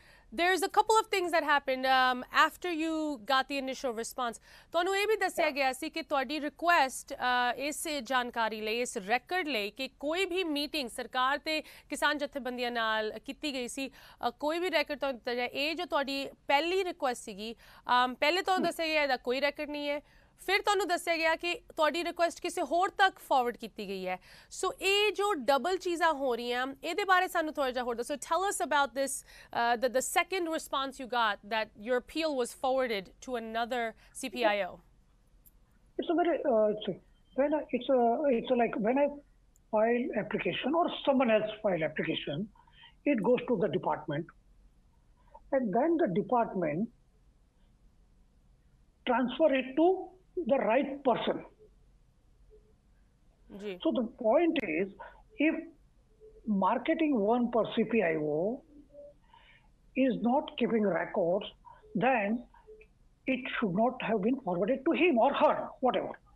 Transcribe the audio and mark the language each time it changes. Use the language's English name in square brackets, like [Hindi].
[English] There's a couple of things that happened after you got the initial response. [Punjabi] ਤੁਹਾਨੂੰ ਇਹ ਵੀ ਦੱਸਿਆ ਗਿਆ ਸੀ ਕਿ ਤੁਹਾਡੀ ਰਿਕੁਐਸਟ ਇਸ ਜਾਣਕਾਰੀ ਲਈ, ਇਸ ਰੈਕਰਡ ਲਈ ਕਿ ਕੋਈ ਵੀ ਮੀਟਿੰਗ ਸਰਕਾਰ ਅਤੇ ਕਿਸਾਨ ਜਥੇਬੰਦੀਆਂ ਨਾਲ ਕੀਤੀ ਗਈ ਸੀ, ਕੋਈ ਵੀ ਰੈਕਰਡ ਤੁਹਾਨੂੰ ਦਿੱਤਾ ਜਾਏ, ਇਹ ਜੋ ਤੁਹਾਡੀ ਪਹਿਲੀ ਰਿਕੁਐਸਟ ਸੀਗੀ, ਪਹਿਲੇ ਤੁਹਾਨੂੰ ਦੱਸਿਆ ਗਿਆ ਇਹਦਾ ਕੋਈ ਰੈਕਰਡ ਨਹੀਂ ਹੈ, ਫਿਰ ਤੁਹਾਨੂੰ ਦੱਸਿਆ ਗਿਆ ਕਿ ਤੁਹਾਡੀ ਰਿਕੁਐਸਟ ਕਿਸੇ ਹੋਰ ਤੱਕ ਫਾਰਵਰਡ ਕੀਤੀ ਗਈ ਹੈ, ਸੋ ਇਹ ਜੋ ਡਬਲ ਚੀਜ਼ਾਂ ਹੋ ਰਹੀਆਂ ਇਹਦੇ ਬਾਰੇ ਸਾਨੂੰ ਥੋੜ੍ਹਾ ਜਿਹਾ ਹੋਰ ਦੱਸੋ। [English] Tell us about this the second response you got that your appeal was forwarded to another C P I O. It's a very it's like when I file application or someone's file application, it goes to the department and then the department transfer it to the right person. So the point is, if marketing one per CPIO is not keeping records, then it should not have been forwarded to him or her, whatever.